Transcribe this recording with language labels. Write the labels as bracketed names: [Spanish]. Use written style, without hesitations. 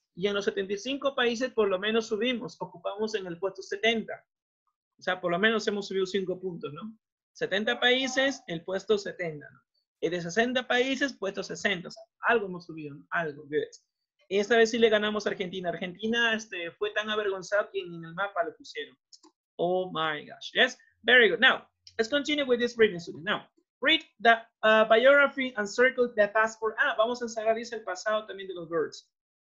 [Spanish] Y en los 75 países por lo menos subimos, ocupamos en el puesto 70. O sea, por lo menos hemos subido 5 puntos, ¿no? 70 países, el puesto 70, ¿no? Y de 60 países, puesto 60. O sea, algo hemos subido, ¿no? Algo. Y esta vez sí le ganamos a Argentina. Argentina fue tan avergonzado que ni en el mapa lo pusieron. [English] Oh my gosh. Yes, very good. Now, let's continue with this reading, student. Now, read the biography and circle the past for... [Spanish] Ah, vamos a encerrar, dice el pasado también de los verbs.